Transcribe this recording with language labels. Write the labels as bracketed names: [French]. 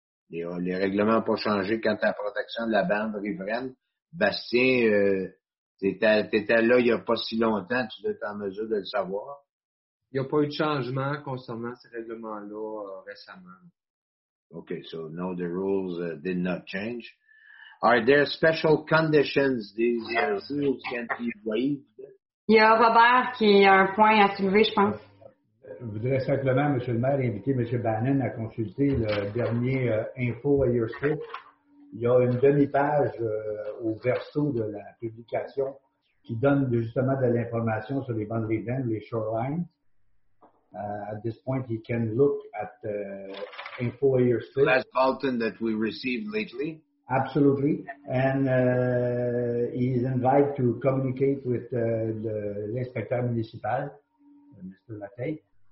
[French] Les règlements n'ont pas changé quant à la protection de la bande riveraine. Bastien, t'étais là il n'y a pas si longtemps, tu dois être en mesure de le savoir. Il n'y a pas eu de changement concernant ces règlements-là récemment. [English] OK, so no, the rules did not change. Are there special conditions these rules can be waived? [French] Il y a Robert qui a un point à soulever, je pense. Je voudrais simplement, M. le maire, inviter M. Bannon à consulter le dernier info à Your Script. Il y a une demi-page au verso de la publication qui donne justement de l'information sur les bandes riveraines, les shorelines. [English] At this point, you can look at info a Your Script. Last bulletin that we received lately. Absolutely. And he's invited to communicate with [French] l'inspecteur municipal, [English] Mr. Latay.